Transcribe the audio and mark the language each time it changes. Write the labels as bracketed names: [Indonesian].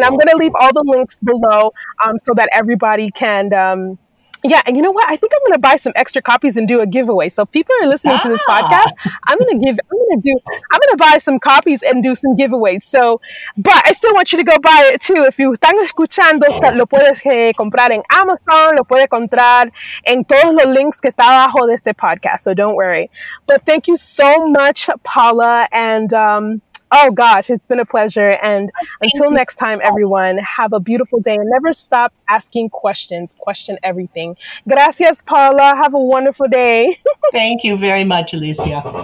[English] And I'm going to leave all the links below so that everybody can. And you know what? I think I'm going to buy some extra copies and do a giveaway. So if people are listening to this podcast, I'm going to buy some copies and do some giveaways. So, but I still want you to go buy it too. If you [Spanish] están escuchando, lo puedes comprar en Amazon, lo puedes comprar en todos los links que está abajo de este podcast. [English] So don't worry. But thank you so much, Paula. And, oh gosh, it's been a pleasure. And until next time, everyone, have a beautiful day and never stop asking questions. Question everything. [Spanish] Gracias, Paula. [English] Have a wonderful day. Thank you very much, Alicia.